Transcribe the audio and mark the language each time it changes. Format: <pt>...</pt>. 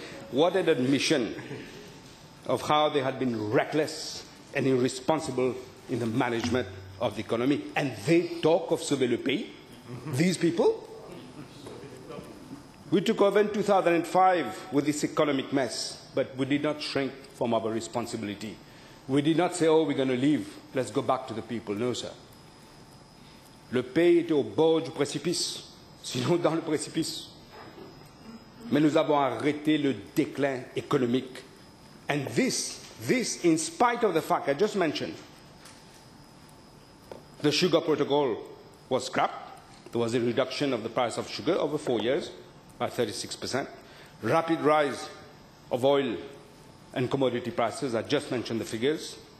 <en>What an admission of how they had been reckless and irresponsible in the management of the economy. And they talk of</en> <fr>sauver le pays,</fr> <en>these people. We took over in 2005 with this economic mess, but we did not shrink from our responsibility. We did not say, oh, we're going to leave, let's go back to the people. No, sir.</en> <fr>Le pays était au bord du précipice, sinon dans le précipice. Mais nous avons arrêté le déclin économique.</fr> <en>And this, in spite of the fact I just mentioned, the sugar protocol was scrapped. There was a reduction of the price of sugar over 4 years by 36%. Rapid rise of oil and commodity prices, I just mentioned the figures.</en>